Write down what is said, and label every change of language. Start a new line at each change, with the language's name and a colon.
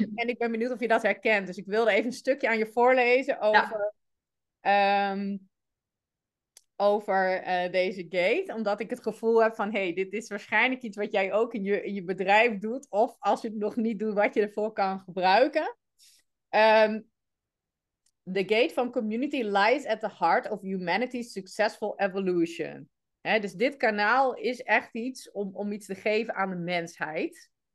Dutch: En ik ben benieuwd of je dat herkent. Dus ik wilde even een stukje aan je voorlezen over... Ja. Over deze gate, omdat ik het gevoel heb van, hey, dit is waarschijnlijk iets wat jij ook in je bedrijf doet, of als je het nog niet doet, wat je ervoor kan gebruiken.
English: The gate van community lies at the heart of humanity's successful evolution.
Dutch: Hè, dus dit kanaal is echt iets om iets te geven aan de mensheid.